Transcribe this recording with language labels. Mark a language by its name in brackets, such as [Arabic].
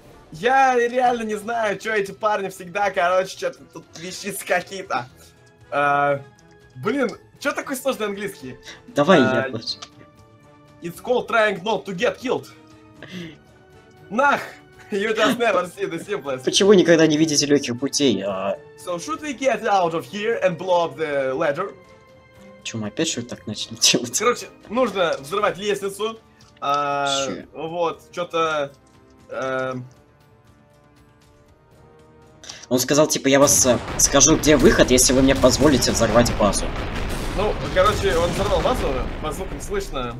[Russian] Я реально не знаю, что эти парни всегда, короче, что-то тут вещицы какие-то. А, блин, что такой сложный английский? Давай, я плачу. [English] It's called trying not to get killed. [Russian] Нах! [English] You just never see the simplest. [Russian] Почему никогда не видите легких путей? [English] So should we get out of here and blow up the ladder? [Russian] Чё, мы опять что-то так начали делать? Короче, нужно взрывать лестницу. А, вот, чё-то... Он сказал, типа, я вас скажу, где выход, если вы мне позволите взорвать базу. Ну, короче, он взорвал базу, по звукам слышно.